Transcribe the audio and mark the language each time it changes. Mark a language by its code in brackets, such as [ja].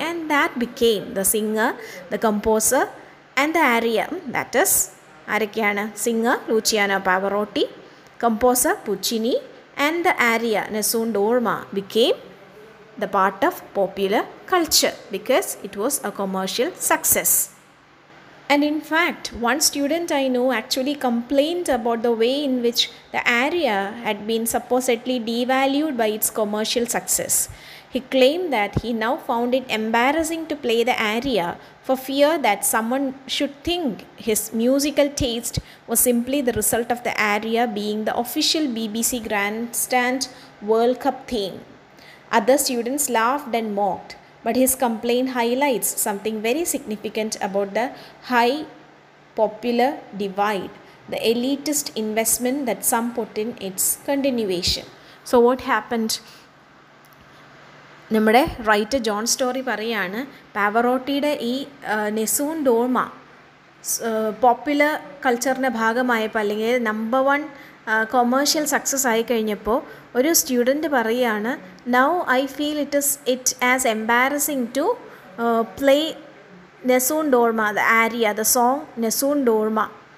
[en] And that became the singer, the composer and the aria. That is [ml] ആരൊക്കെയാണ്? [en] Singer Luciano Pavarotti, composer Puccini and the aria Nessun Dorma became the part of popular culture because it was a commercial success. And in fact, one student I know actually complained about the way in which the area had been supposedly devalued by its commercial success. He claimed that he now found it embarrassing to play the aria for fear that someone should think his musical taste was simply the result of the aria being the official BBC Grandstand World Cup theme. Other students laughed and mocked, but his complaint highlights something very significant about the high popular divide, the elitist investment that some put in its continuation. So what happened? [ml] നമ്മുടെ writer John story പറയുകയാണ്, പാവറോട്ടിയുടെ ഈ നെസൂൺ ഡോർമ popular കൾച്ചറിൻ്റെ ഭാഗമായപ്പോൾ, അല്ലെങ്കിൽ number one commercial success ആയിക്കഴിഞ്ഞപ്പോൾ ഒരു student പറയുകയാണ്, [en] Now I feel it is it as embarrassing to play Nessun Dorma the aria the song Nessun Dorma.